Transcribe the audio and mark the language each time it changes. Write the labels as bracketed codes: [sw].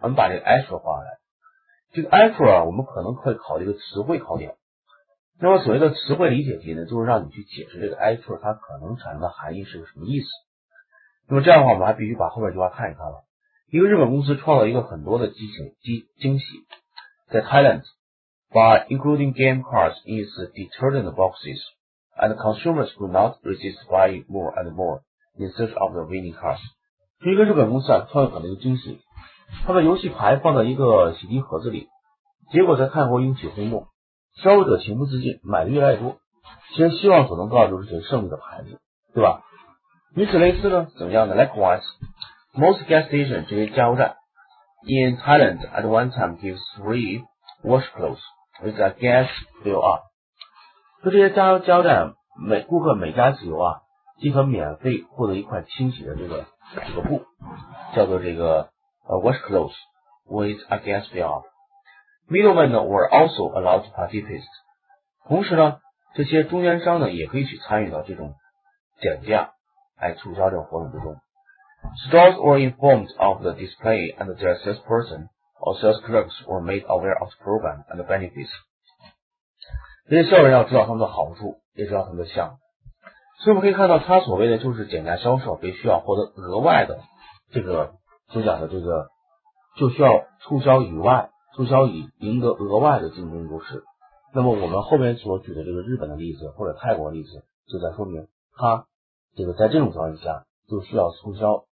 [zh] 我们把这个 extra 画来，这个 extra 啊，我们可能可以考虑一个词汇考点。那么所谓的词汇理解题呢，就是让你去解释这个 extra 它可能产生的含义是个什么意思。那么这样的话，我们还必须把后面一句话看一看了。一个日本公司创造一个很多的惊喜，在 Thailand。 [en] By including game cards in its detergent boxes, and consumers could not resist buying more and more in search of the winning cards. [zh] 这一个日本公司啊，创造很多惊喜，他的游戏牌放在一个洗涤盒子里，结果在泰国引起轰动，消费者情不自禁买的越来越多，其实希望所能告诉就是胜利的牌子，对吧？与此类似呢，怎么样呢 ？ [en] Likewise, most gas stations, [zh] 这些加油站 [en] in Thailand at one time gives free. Wash clothes with a gas fill up. [zh] 说这些加油站每顾客每加次油啊，即可免费获得一块清洗的这个布，叫做这个 [en] wash clothes with a gas fill up. Middlemen were also allowed to participate. [zh] 同时呢，这些中间商呢也可以去参与到这种减价来促销这种活动之中。 [en] Stores were informed of the display and their salesperson. Or sales clerks were made aware of the program and the benefits. [zh] 这些销售要知道他们的好处，也知道他们的项目。所以我们可以看到，他所谓的就是减价销售，必须要获得额外的这个所讲的这个，就需要促销以外，促销以赢得额外的竞争优势。那么我们后面所举的这个日本的例子或者泰国的例子，就在说明他这个在这种情况下就需要促销。